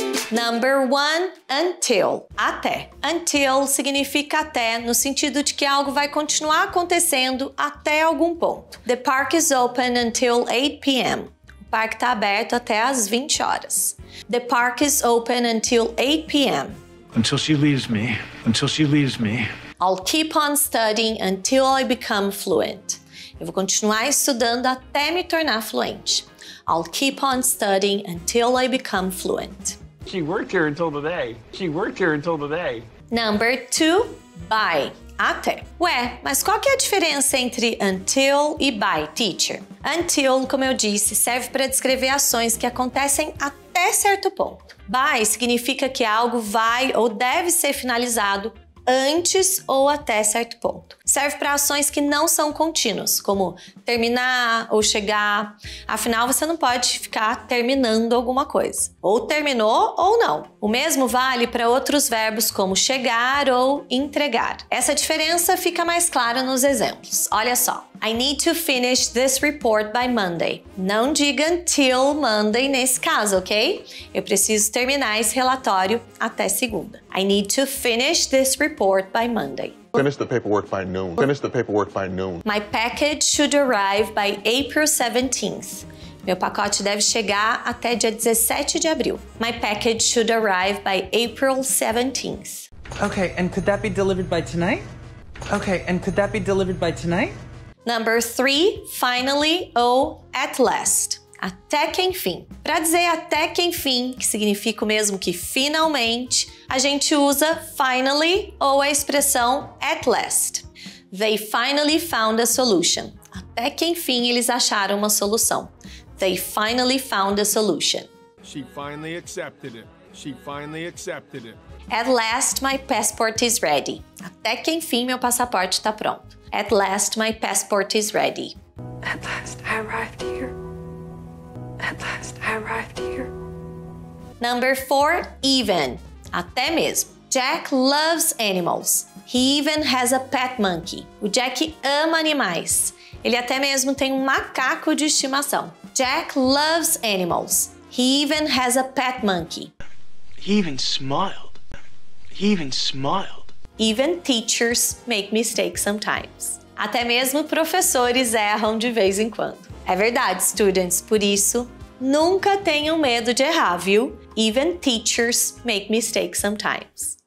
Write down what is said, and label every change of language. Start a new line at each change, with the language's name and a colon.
English: Number one,
Portuguese: until. Até. Until significa até, no sentido de que algo vai continuar acontecendo até algum ponto.
English: The park is open until 8 p.m.
Portuguese: O parque está aberto até às 20 horas.
English: The park is open until 8 p.m. Until she leaves me. Until she leaves me. I'll keep on studying until I become fluent.
Portuguese: Eu vou continuar estudando até me tornar fluente.
English: I'll keep on studying until I become fluent. She worked here until today. She worked here until today. Number two, by. Até.
Portuguese: Ué, mas qual que é a diferença entre until e by, teacher? Until, como eu disse, serve para descrever ações que acontecem até certo ponto. By significa que algo vai ou deve ser finalizado antes ou até certo ponto. Serve para ações que não são contínuas, como terminar ou chegar. Afinal, você não pode ficar terminando alguma coisa. Ou terminou ou não. O mesmo vale para outros verbos como chegar ou entregar. Essa diferença fica mais clara nos exemplos. Olha só.
English: I need to finish this report by Monday.
Portuguese: Não diga until Monday nesse caso, ok? Eu preciso terminar esse relatório até segunda.
English: I need to finish this report by Monday. Finish the paperwork by noon. Finish the paperwork by noon. My package should arrive by April 17th.
Portuguese: Meu pacote deve chegar até dia 17 de abril.
English: My package should arrive by April 17th. Okay, and could that be delivered by tonight? Okay, and could that be delivered by tonight? Number three, finally, ou at last.
Portuguese: Até que enfim. Para dizer até que enfim, que significa o mesmo que finalmente, a gente usa finally ou a expressão at last.
English: They finally found a solution.
Portuguese: Até que enfim eles acharam uma solução.
English: They finally found a solution. She finally accepted it. She finally accepted it. At last, my passport is ready.
Portuguese: Até que enfim meu passaporte está pronto.
English: At last, my passport is ready. At last, I arrived here. At last, I arrived here. Number four, even.
Portuguese: Até mesmo.
English: Jack loves animals. He even has a pet monkey.
Portuguese: O Jack ama animais. Ele até mesmo tem um macaco de estimação.
English: Jack loves animals. He even has a pet monkey. He even smiled. He even smiled. Even teachers make mistakes sometimes.
Portuguese: Até mesmo professores erram de vez em quando. É verdade,
English: students.
Portuguese: Por isso, nunca tenham medo de errar, viu?
English: Even teachers make mistakes sometimes.